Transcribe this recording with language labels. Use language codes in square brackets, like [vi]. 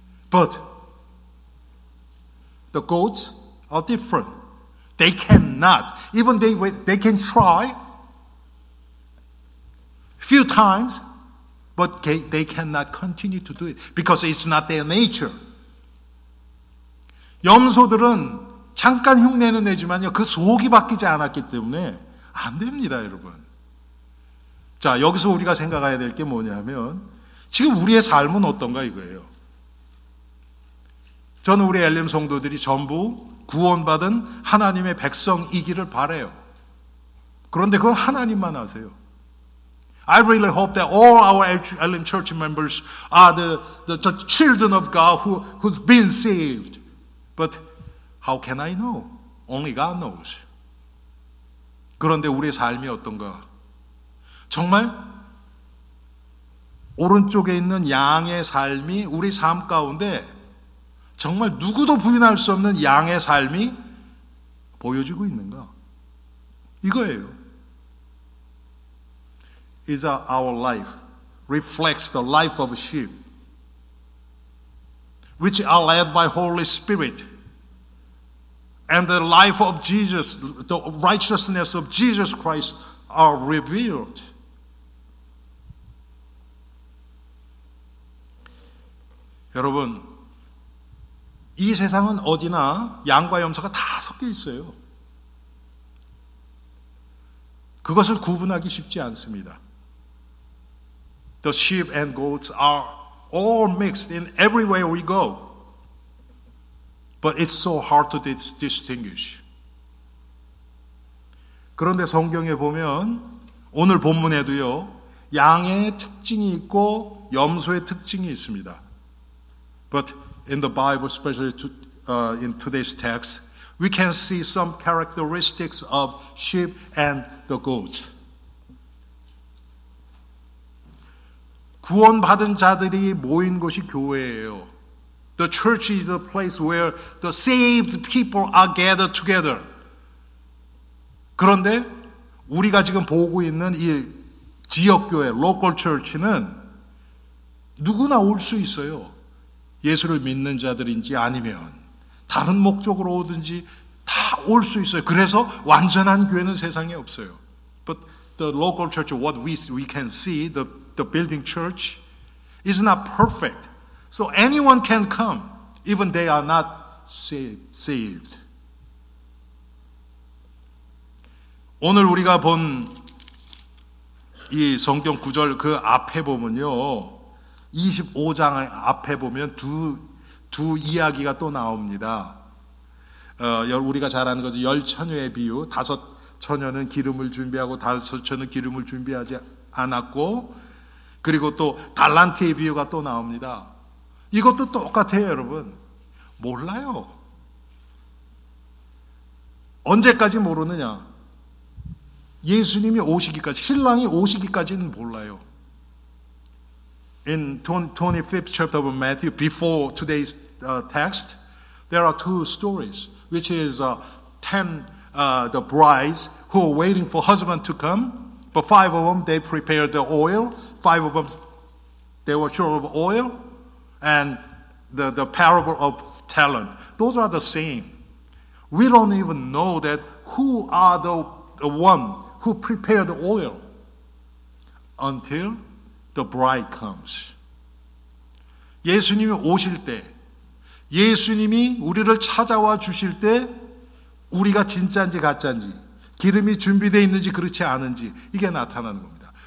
[en] But the goats are different. They cannot. Even they can try a few times, but they cannot continue to do it because it's not their nature. [ko] 염소들은 잠깐 흉내는 내지만요, 그 속이 바뀌지 않았기 때문에 안 됩니다, 여러분. 자, 여기서 우리가 생각해야 될 게 뭐냐면, 지금 우리의 삶은 어떤가 이거예요. 저는 우리 엘림 성도들이 전부 구원받은 하나님의 백성이기를 바라요. 그런데 그건 하나님만 아세요. [en] I really hope that all our Elim church members are the children of God who's been saved. But how can I know? Only God knows. [ko] 그런데 우리의 삶이 어떤가? 정말 오른쪽에 있는 양의 삶이 우리 삶 가운데 정말 누구도 부인할 수 없는 양의 삶이 보여지고 있는가? 이거예요. [en] Is our life reflects the life of a sheep which are led by Holy Spirit and the life of Jesus, the righteousness of Jesus Christ are revealed. [ko] 여러분, 이 세상은 어디나 양과 염소가 다 섞여 있어요. 그것을 구분하기 쉽지 않습니다. [en] The sheep and goats are all mixed in everywhere we go. But it's so hard to distinguish. [ko] 그런데 성경에 보면 오늘 본문에도요, 양의 특징이 있고 염소의 특징이 있습니다. [en] But in the Bible, especially in today's text, we can see some characteristics of sheep and the goats. [ko] 구원받은 자들이 모인 곳이 교회예요. [en] The church is a place where the saved people are gathered together. [ko] 그런데 우리가 지금 보고 있는 이 지역교회, local church는 누구나 올 수 있어요. 예수를 믿는 자들인지 아니면 다른 목적으로 오든지 다 올 수 있어요. 그래서 완전한 교회는 세상에 없어요. [en] But the local church, what we can see, the building church is not perfect. So anyone can come, even they are not saved. [ko] 오늘 우리가 본 이 성경 구절 그 앞에 보면요, 25장 앞에 보면 두 이야기가 또 나옵니다. 우리가 잘 아는 거죠. 열 처녀의 비유. 다섯 처녀는 기름을 준비하고 다섯 처녀는 기름을 준비하지 않았고, 그리고 또 달란트의 비유가 또 나옵니다. 이것도 똑같아요, 여러분. 몰라요. 언제까지 모르느냐? 예수님이 오시기까지, 신랑이 오시기까지는 몰라요. In 25th chapter of Matthew, before today's text, there are two stories, which is the brides who are waiting for husband to come, but five of them, they prepared the oil, five of them, they were short of oil, and the parable of talent. Those are the same. We don't even know that who are the one who prepared the oil until the bride comes. 예수님이 오실 때, 예수님이 우리를 찾아와 주실 때 우리가 진짜인지 가짜인지, 기름이 준비되어 있는지 그렇지 않은지 이게 나타나는 겁니다.